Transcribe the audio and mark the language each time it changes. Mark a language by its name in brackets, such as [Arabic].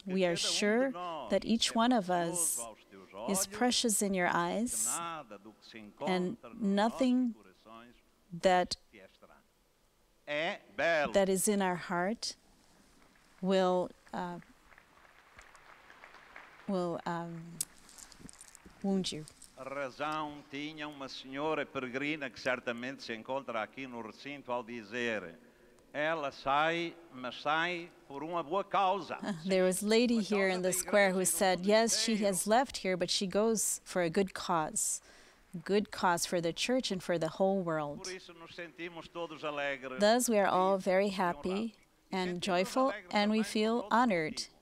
[English] We are sure that each one of us is precious in your eyes, and nothing that is in our heart will wound you. [Portuguese] Razão tinha uma senhora peregrina que certamente se encontra aqui no recinto ao dizer, ela sai, mas sai por uma boa causa. [English] There was a lady here in the square who said, yes, she has left here, but she goes for a good cause. Good cause for the church and for the whole world. [Portuguese] Por isso nos sentimos todos alegres. [English] Thus we are all very happy and joyful, and we feel honored.